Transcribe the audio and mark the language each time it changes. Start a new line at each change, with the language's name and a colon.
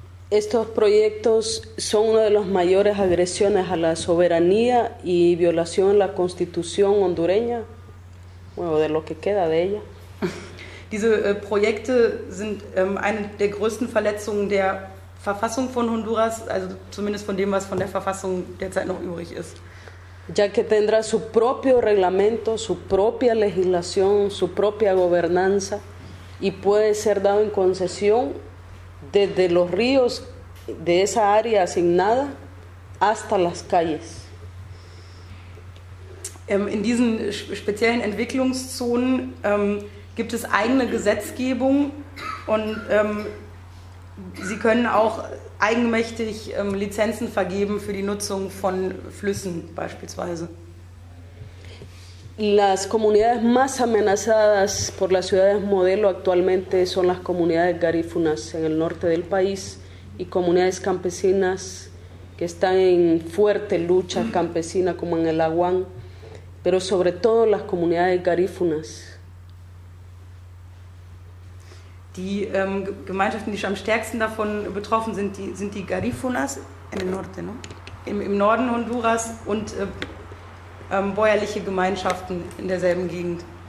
Spanish: Estos proyectos son una de las mayores agresiones a la soberanía y violación a la Constitución hondureña.
German: Oder
Spanish: lo que queda de ella.
German: Diese Projekte sind eine der größten Verletzungen der Verfassung von Honduras, also zumindest von dem, was von der Verfassung derzeit noch übrig ist.
Spanish: Ya que tendrá su propio reglamento, su propia legislación, su propia gobernanza y puede ser dado en concesión desde los ríos de esa área asignada hasta las calles.
German: In diesen speziellen Entwicklungszonen gibt es eigene Gesetzgebung und sie können auch eigenmächtig Lizenzen vergeben für die Nutzung von Flüssen beispielsweise.
Spanish: Las comunidades más amenazadas por las ciudades modelo actualmente son las comunidades garífunas en el norte del país y comunidades campesinas que están en fuerte lucha campesina como en el Aguán. Pero sobre todo las comunidades garífunas.
German: Die Gemeinschaften, die am stärksten davon betroffen sind, sind die Garífunas
Spanish: en el norte, ¿no?
German: Im Norden Honduras und bäuerliche Gemeinschaften in derselben Gegend.